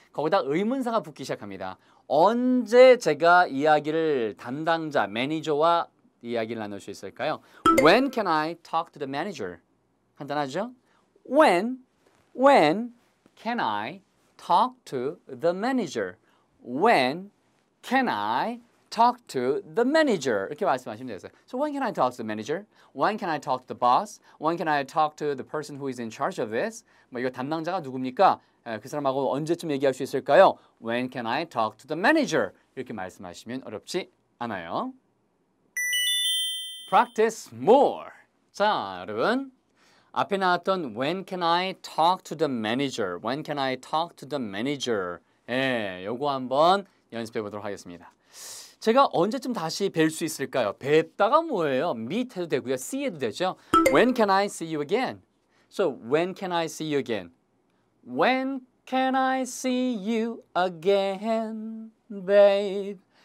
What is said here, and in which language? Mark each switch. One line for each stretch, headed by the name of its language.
Korean: 거기다 의문사가 붙기 시작합니다. 언제 제가 이야기를 담당자, 매니저와 이야기를 나눌 수 있을까요?
English: When can I talk to the manager?
Korean: 간단하죠?
English: When can I talk to the manager? When can I talk to the manager?
Korean: 이렇게 말씀하시면 되세요.
English: So when can I talk to the manager? When can I talk to the boss? When can I talk to the person who is in charge of this?
Korean: 뭐 이거 담당자가 누굽니까? 그 사람하고 언제쯤 얘기할 수 있을까요?
English: When can I talk to the manager?
Korean: 이렇게 말씀하시면 어렵지 않아요.
English: Practice more.
Korean: 자, 여러분. 앞에 나왔던
English: When can I talk to the manager? When can I talk to the manager?
Korean: 예, 요거 한번 연습해 보도록 하겠습니다. 제가 언제쯤 다시 뵐 수 있을까요? 뵙다가 뭐예요?
English: Meet 해도 되고요. See 해도 되죠. When can I see you again? So, when can I see you again? When can I see you again, babe?